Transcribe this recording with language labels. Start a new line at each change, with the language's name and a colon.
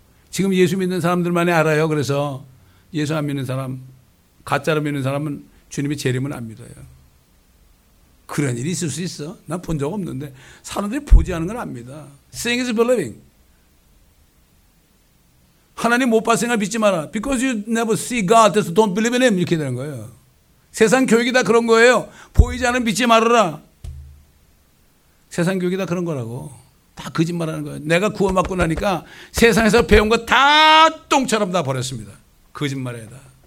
Korean: 지금 예수 믿는 사람들만이 알아요. 그래서 예수 안 믿는 사람, 가짜로 믿는 사람은 주님이 재림은 안 믿어요. 그런 일이 있을 수 있어. 난 본 적 없는데. 사람들이 보지 않은 걸 압니다.
English: Seeing is believing.
Korean: 하나님 못 봤을 생각 믿지 마라.
English: Because you never see God, so don't believe in him.
Korean: 이렇게 되는 거예요. 세상 교육이 다 그런 거예요. 보이지 않은 믿지 말아라. 세상 교육이 다 그런 거라고. 다 거짓말하는 거예요. 내가 구원 받고 나니까 세상에서 배운 거 다 똥처럼 다 버렸습니다. 거짓말에 다.